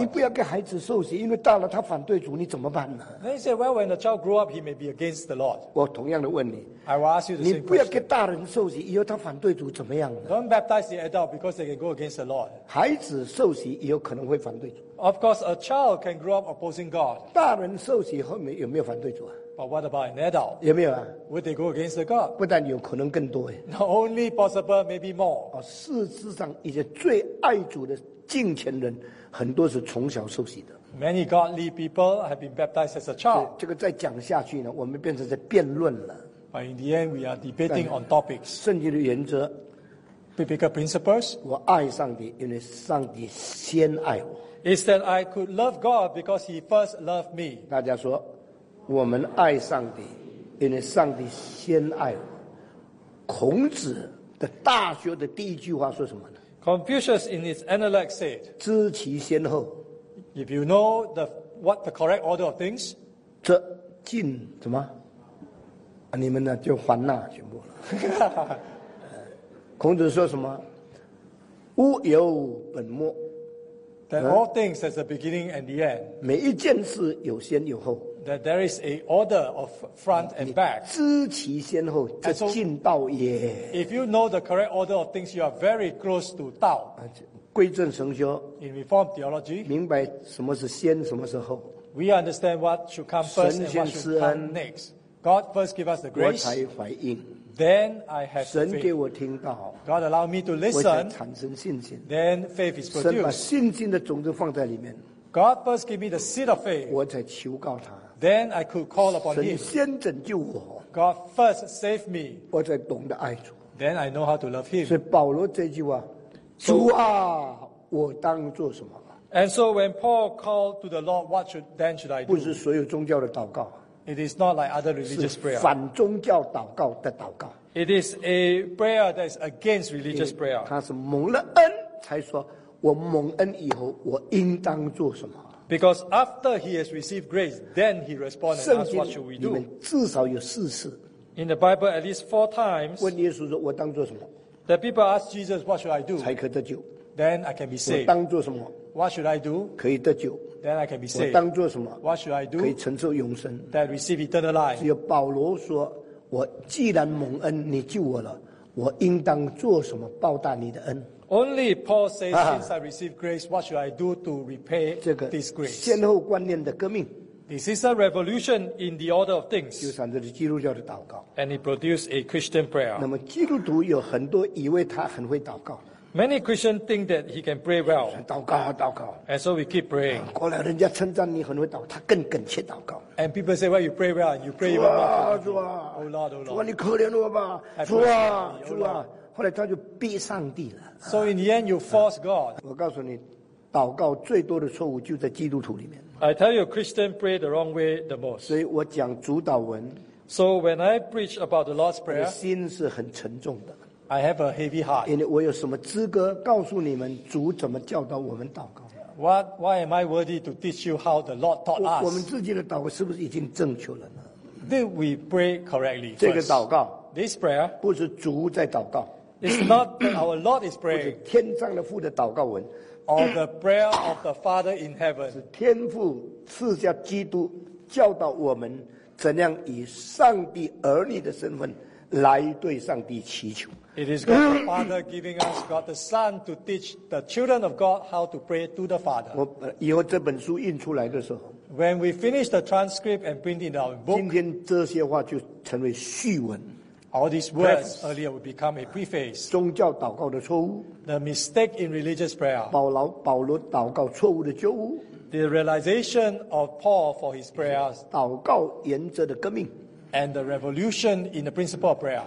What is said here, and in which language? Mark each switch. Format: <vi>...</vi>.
<zh>你不要给孩子受洗，因为大了他反对主，你怎么办呢</zh> <en>？They say, well, when the child grew up, he may be against the Lord.</en> <zh>我同样的问你</zh> <en>，I will ask you the same question.</en> <zh>你不要给大人受洗，以后他反对主怎么样呢</zh> <en>？Don't baptize the adult because they can go against the Lord.</en> <zh>孩子受洗以后可能会反对主。</zh> <en>Of course, a child can grow up opposing God.</en> <zh>大人受洗后面有没有反对主啊？</zh> <en>But what about an adult?</en> <zh>有没有啊</zh> <en>？Would they go against the God?</en> <zh>不但有可能更多哎。</zh> <en>Not only possible, maybe more.</en> <zh>啊，事实上，一些最爱主的敬虔人，很多是从小受洗的。</zh> <en>Many godly people have been baptized as a child.</en> <zh>这个再讲下去呢，我们变成在辩论了。</zh> <en>But in the end, we are debating on topics.</en> <zh>圣经的原则</zh> <en>，biblical principles.</en> <zh>我爱上帝，因为上帝先爱我。</zh> <en>Is that I could love God because He first loved me?</en> <zh>大家说。我们爱上帝，因为上帝先爱我。孔子的大学的第一句话说什么呢</zh> <en>？Confucius in his Analects said，</en> <zh>知其先后。</zh> <en>If you know what the correct order of things，</en> <zh>这进什么？你们呢就还那全部了。孔子说什么？物有本末。</zh> <en>That all things has a beginning and the end。</en> <zh>每一件事有先有后。</zh> <en>That there is an order of front and back.</en> <zh>知其先后，这近道也。</zh> <en>If you know the correct order of things, you are very close to 道。</en> <zh>归正神学。</zh> <en>In Reformed theology,</en> <zh>明白什么是先，什么是后。</zh> <en>We understand what should come first and what should come next. God first give us the grace.</en> <zh>我才回应。</zh> <en>Then I have faith.</en> <zh>神给我听到。</zh> <en>God allow me to listen.</en> <zh>我才产生信心。</zh> <en>Then faith is produced.</en> <zh>神把信心的种子放在里面。</zh> <en>God first give me the seed of faith.</en> <zh>我才求告他。</zh> <en>Then I could call upon him.</en> <zh>神先拯救我。</zh> <en>God first saved me.</en> <zh>我才懂得爱主。</zh> <en>Then I know how to love him.</en> <zh>所以保罗这句话，主啊，我当做什么</zh> <en>And so when Paul called to the Lord, what should, then should I do?</en> <zh>不是所有宗教的祷告。</zh> <en>It is not like other religious prayer.</en> <zh>是反宗教祷告的祷告。</zh> <en>It is a prayer that is against religious prayer.</en> <zh>他是蒙了恩才说，我蒙恩以后，我应当做什么？</zh> <en>Because after he has received grace, then he responds and asks, what should we do?</en> <zh>你们至少有四次。</zh> <en>In the Bible, at least four times,</en> <zh>问耶稣说，我当做什么？</zh> <en>The people ask Jesus, what should I do?</en> <zh>才可得救。</zh> <en>Then I can be saved.</en> <zh>我当做什么？</zh> <en>What should I do?</en> <zh>可以得救。</zh> <en>Then I can be saved.</en> <zh>我当做什么？</zh> <en>What should I do?</en> <zh>可以承受永生。</zh> <en>That receive eternal life.</en> <zh>只有保罗说，我既然蒙恩，你救我了，我应当做什么报答你的恩？</zh> <en>Only Paul says, since I received grace, what should I do to repay this grace?</en> <zh>先后观念的革命。</zh> <en>This is a revolution in the order of things.</en> <zh>就产生了基督教的祷告。</zh> <en>And it produced a Christian prayer.</en> <zh>那么基督徒有很多以为他很会祷告。</zh> <en>Many Christians think that he can pray well.</en> <zh>祷告啊祷告。</zh> <en>And so we keep praying.</en> <zh>过来人家称赞你很会祷告，他更恳切祷告。</zh> <en>And people say, well, you pray well, you pray even more.</en> <zh>主啊，主啊。</zh> <en>Oh Lord, oh Lord.</en> <zh>主啊，你可怜我吧。主啊，主啊。后来他就逼上帝了。</zh> <en>So in the end, you force God.</en> <zh>我告诉你，祷告最多的错误就在基督徒里面。</zh> <en>I tell you, Christian pray the wrong way the most.</en> <zh>所以我讲主祷文。</zh> <en>So when I preach about the Lord's prayer,</en> <zh>我的心是很沉重的。</zh> <en>I have a heavy heart.</en> <zh>因为我有什么资格告诉你们主怎么教导我们祷告？</zh> <en>What? Why am I worthy to teach you how the Lord taught us?</en> <zh>我们自己的祷告是不是已经正确了呢？</zh> <en>Did we pray correctly?</en> <zh>这个祷告，</zh> <en>this prayer,</en> <zh>不是主在祷告。</zh> <en>It's not that our Lord is praying.</en> <zh>不是天上的父的祷告文。</zh> <en>Or the prayer of the Father in heaven.</en> <zh>是天父赐下基督教导我们怎样以上帝儿女的身份来对上帝祈求。</zh> <en>It is God the Father giving us God the Son to teach the children of God how to pray to the Father.</en> <zh>我以后这本书印出来的时候。</zh> <en>When we finish the transcript and print it out in book.</en> <zh>今天这些话就成为序文。</zh> <en>All these words earlier would become a preface.</en> <zh>宗教祷告的错误。</zh> <en>The mistake in religious prayer.</en> <zh>保罗祷告错误的错误。</zh> <en>The realization of Paul for his prayers.</en> <zh>祷告原则的革命。</zh> <en>And the revolution in the principle of prayer.</en>